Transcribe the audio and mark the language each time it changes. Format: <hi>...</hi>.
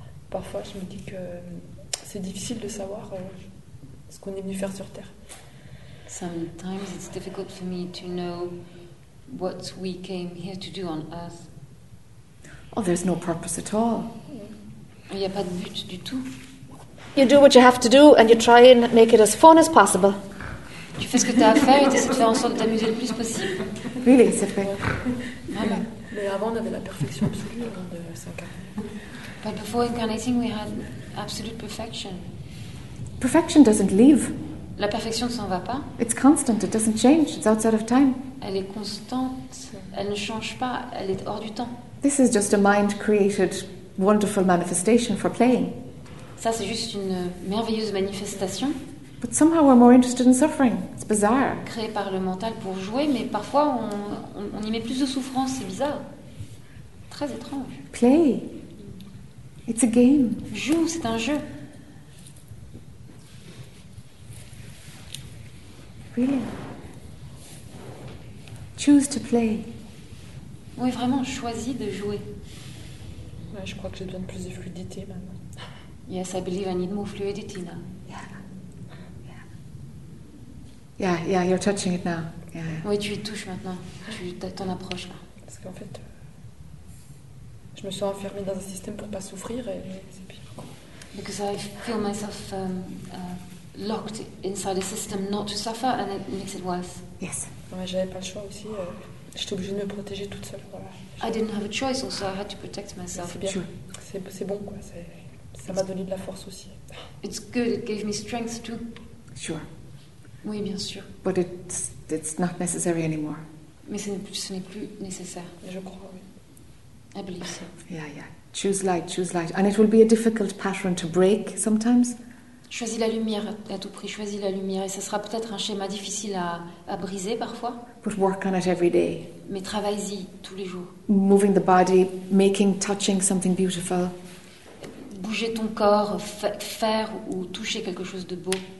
<fr>Parfois, je me dis que c'est difficile de savoir ce qu'on est venu faire sur Terre.</fr> <en>Sometimes it's difficult for me to know what we came here to do on Earth. Oh, there's no purpose at all.</en> <fr>Il n'y a pas de but du tout.</fr> <en>You do what you have to do and you try and make it as fun as possible.</en> <fr>Tu fais ce que tu as à faire et tu essaies de faire en sorte de t'amuser le plus possible.</fr> <en>Really,</en> <fr>c'est fait. Mais avant, on avait la perfection absolue avant de s'incarner.</fr> <en>But before incarnating, we had absolute perfection. Perfection doesn't leave.</en> <fr>La perfection ne s'en va pas.</fr> <en>It's constant, it doesn't change, it's outside of time.</en> <fr>Elle est constante, elle ne change pas, elle est hors du temps.</fr> <en>This is just a mind-created, wonderful manifestation for playing.</en> <fr>Ça, c'est juste une merveilleuse manifestation.</fr> <en>But somehow we're more interested in suffering. It's bizarre.</en> <fr>Créé par le mental pour jouer, mais parfois on y met plus de souffrance, c'est bizarre. Très étrange.</fr> <en>Play. It's a game.</en> <fr>Joue, c'est un jeu.</fr> <en>Really? Choose to play.</en> <fr>Oui, vraiment, choisis de jouer. Ouais, je crois que j'ai besoin de plus de fluidité maintenant.</fr> <en>Yes, I believe I need more fluidity now. Yeah. Yeah. Yeah, you're touching it now. Yeah.</en> <fr>Oui, tu y touches maintenant. Tu t'en approches là. Parce qu'en fait. Je me sens enfermée dans un système pour pas souffrir et c'est pire.</fr> <en>Because I feel myself locked inside a system not to suffer and it makes it worse. Yes.</en> <fr>Mais j'avais pas le choix aussi. J'étais obligée de me protéger toute seule. Voilà.</fr> <en>I didn't have a choice, also I had to protect myself.</en> <fr>C'est bien. C'est bon quoi. Ça m'a donné de la force aussi.</fr> <en>It's good. It gave me strength too. Sure.</en> <fr>Oui, bien sûr.</fr> <en>But it's not necessary anymore.</en> <fr>Mais ce n'est plus nécessaire. Je crois. Oui.</fr> <en>I believe so. Yeah, yeah. Choose light. And it will be a difficult pattern to break sometimes.</en> <fr>Choisis la lumière à tout prix. Choisis la lumière. Et ça sera peut-être un schéma difficile à briser parfois.</fr> <en>But work on it every day.</en> <fr>Mais travaille-y tous les jours.</fr> <en>Moving the body, making, touching something beautiful.</en> <fr>Bouger ton corps, faire ou toucher quelque chose de beau.</fr>